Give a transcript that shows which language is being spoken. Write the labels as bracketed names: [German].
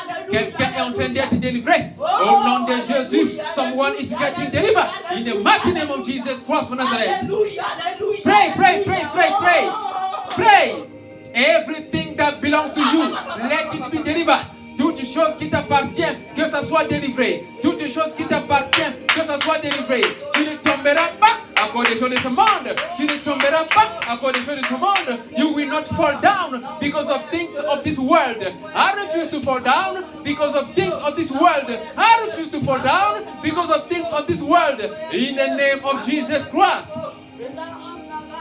[French] Quelqu'un est en train d'être délivré. Au nom de Jésus, [English] someone is getting delivered. In the mighty name of Jesus, cross for Nazareth. Pray. Everything that belongs to you, let it be delivered. [French] Toutes choses qui t'appartiennent, que ça soit délivré. Toutes choses qui t'appartiennent, que ça soit délivré. Tu ne tomberas pas à cause des choses de ce monde. Tu ne tomberas pas à cause des choses de ce monde. [English] You will not fall down because of things of this world. I refuse to fall down because of things of this world. I refuse to fall down because of things of this world. In the name of Jesus Christ. Jesus Christ.